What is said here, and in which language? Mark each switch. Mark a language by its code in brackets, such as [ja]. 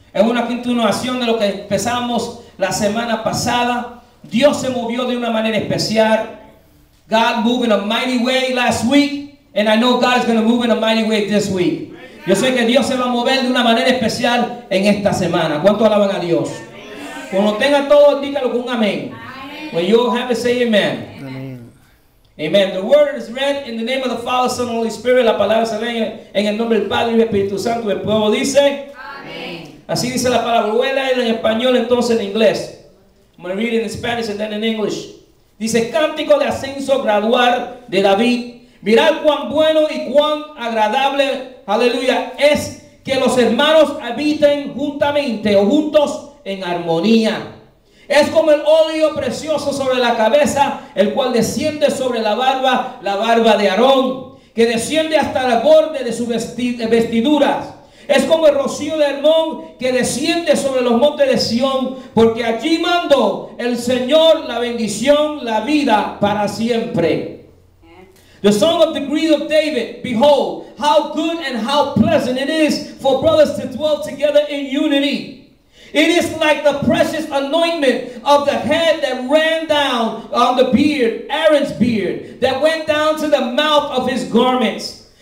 [es] Es una continuación de lo que empezamos la semana pasada. Dios se movió de una manera especial. [en] God moved in a mighty way last week, and I know God is going to move in a mighty way this week. [es] Yo sé que Dios se va a mover de una manera especial en esta semana. ¿Cuántos alaban a Dios? Cuando tenga todo, dígalo con un amén. [en] When you all have it, say amen. Amen. The word is read in the name of the Father, Son, and Holy Spirit. [es] La palabra se lee en el nombre del Padre y del Espíritu Santo. El pueblo dice. Así dice la palabra. Voy a leer en español, entonces en inglés. [en] I'm going to read it in Spanish and then in English. [es] Dice, cántico de ascenso gradual de David. Mirad cuán bueno y cuán agradable, aleluya, es que los hermanos habiten juntamente o juntos en armonía. Es como el óleo precioso sobre la cabeza, el cual desciende sobre la barba de Aarón, que desciende hasta el borde de sus vestiduras. Es como el rocío de Hermón que desciende sobre los montes de Sión, porque allí mandó el Señor la bendición, la vida para siempre. [en] The song of the greed of David, behold, how good and how pleasant it is for brothers to dwell together in unity. It is like the precious anointment of the head that ran down on the beard, Aaron's beard, that went down to the mouth of his garments.